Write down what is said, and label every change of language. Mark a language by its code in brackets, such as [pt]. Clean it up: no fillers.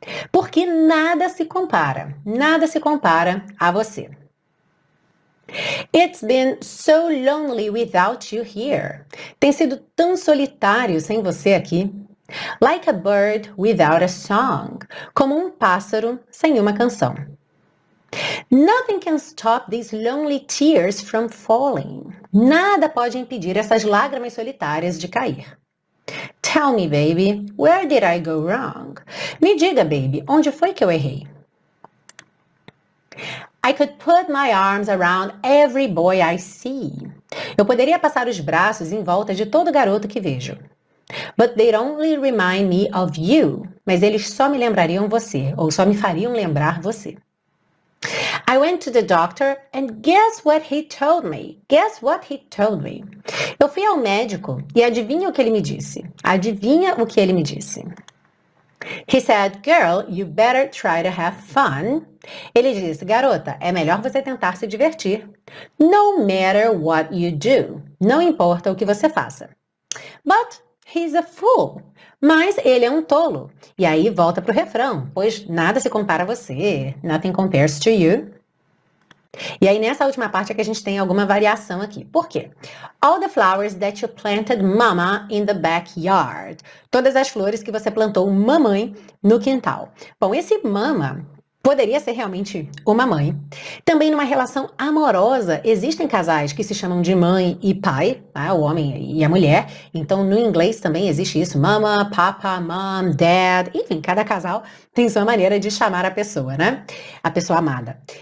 [pt] Porque nada se compara a você. [en] It's been so lonely without you here. [pt] Tem sido tão solitário sem você aqui. [en] Like a bird without a song. [pt] Como um pássaro sem uma canção. [en] Nothing can stop these lonely tears from falling. [pt] Nada pode impedir essas lágrimas solitárias de cair. [en] Tell me, baby, where did I go wrong? [pt] Me diga, baby, onde foi que eu errei? [en] I could put my arms around every boy I see. [pt] Eu poderia passar os braços em volta de todo garoto que vejo. [en] But they'd only remind me of you. [pt] Mas eles só me lembrariam você, ou só me fariam lembrar você. [en] I went to the doctor and guess what he told me? Guess what he told me? [pt] Eu fui ao médico e adivinha o que ele me disse? Adivinha o que ele me disse? [en] He said, girl, you better try to have fun. [pt] Ele disse, garota, é melhor você tentar se divertir. [en] No matter what you do. [pt] Não importa o que você faça. [en] But he's a fool. [pt] Mas ele é um tolo. E aí volta pro refrão, pois nada se compara a você. [en] Nothing compares to you. [pt] E aí nessa última parte é que a gente tem alguma variação aqui. Por quê? [en] All the flowers that you planted mama in the backyard. [pt] Todas as flores que você plantou mamãe no quintal. Bom, esse mama poderia ser realmente uma mãe. Também numa relação amorosa, existem casais que se chamam de mãe e pai, né? O homem e a mulher. Então, no inglês também existe isso. Mama, papa, mom, dad. Enfim, cada casal tem sua maneira de chamar a pessoa, né? A pessoa amada.